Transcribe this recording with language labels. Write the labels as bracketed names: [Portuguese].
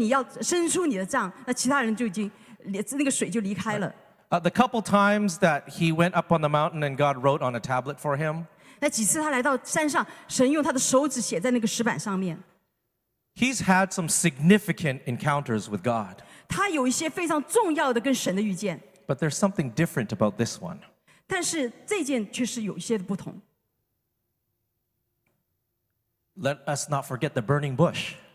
[Chinese] 所以他就,那个神就说你要伸出你的杖, 那其他人就已经, 那个水就离开了。 [English] The couple times that he went up on the mountain and God wrote on a tablet for him. [Chinese] 那几次他来到山上, 神用他的手指写在那个石板上面。 [English] He's had some significant encounters with God. But there's something different about this one. Let us not forget the burning bush.